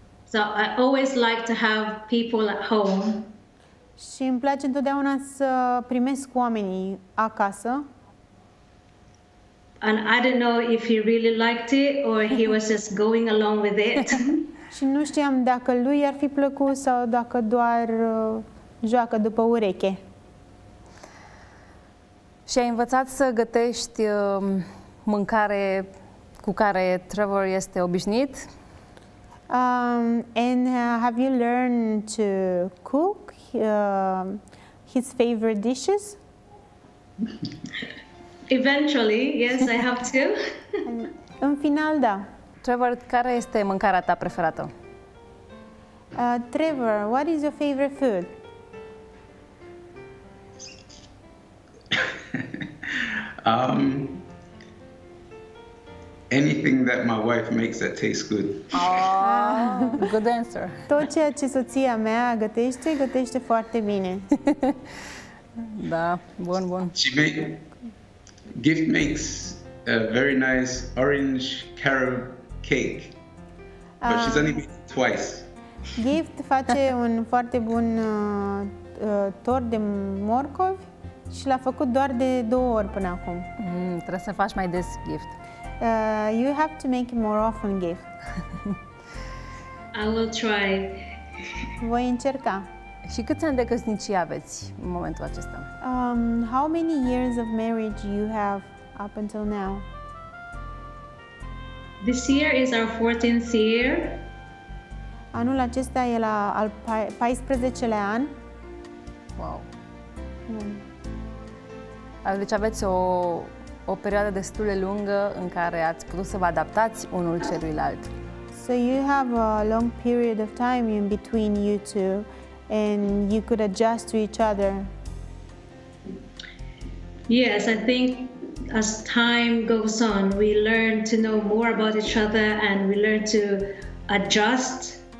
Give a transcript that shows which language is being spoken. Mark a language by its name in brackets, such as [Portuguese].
[English] So I always like to have people at home. [Romanian] Și îmi place întotdeauna să primesc oamenii acasă. [English] And I don't know if he really liked it or he was just going along with it. [Romanian] Și nu știam dacă lui ar fi plăcut sau dacă doar joacă după ureche. Și ai învățat să gătești mâncare cu care Trevor este obișnuit? [English] Have you learned to cook his favorite dishes? Eventually, yes, I have to. [Romanian] În final, da. Trevor, care este mâncarea ta preferată? [English] Trevor, what is your favorite food? Anything that my wife makes that tastes good. Good answer. [Romanian] Tot ceea ce soția mea gătește, gătește foarte bine. Da, bun. [English] Gift makes a very nice orange carob cake. But she's only made it twice. [Romanian] Gift face un foarte bun tort de morcovi și l-a făcut doar de două ori până acum. Trebuie să faci mai des Gift. [English] You have to make it more often, Gift. I will try. [Romanian] Voi încerca. Și câți ani de căsnicie aveți în momentul acesta? [English] How many years of marriage you have up until now? This year is our 14th year. [Romanian] Anul acesta e la al 14-lea an. Wow. Deci aveți o perioadă destul de lungă în care ați putut să vă adaptați unul celuilalt. [English] So you have a long period of time in between you two and you could adjust to each other. Yes, I think as time goes on, we learn to know more about each other and we learn to adjust.